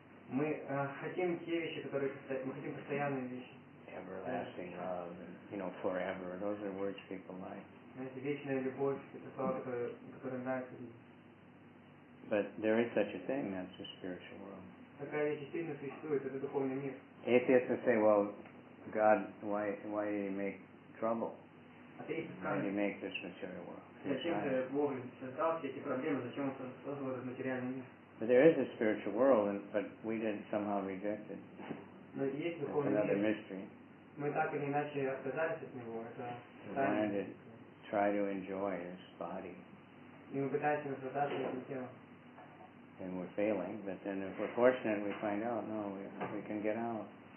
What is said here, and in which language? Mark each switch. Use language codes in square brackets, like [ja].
[ru] Мы хотим те вещи, которые мы хотим постоянные вещи. [en] Everlasting love, and, you know, forever. Those are words people like. [ru] Знаете, вечная любовь — это слова, которые нравятся людям. [en] But there is such a thing. That's the spiritual world. [ru] Такая вещь действительно существует. Это духовный мир. [en] Atheists would say, well, God, why did He make trouble? Why did He make this material world? [ru] Зачем же Бог создал все эти проблемы? Зачем Он создал этот материальный мир? [en] But there is a spiritual world, but we didn't somehow reject it. That's another mystery. We wanted to try to enjoy this body. And we're failing, but then if we're fortunate, we find out, no, we can get out.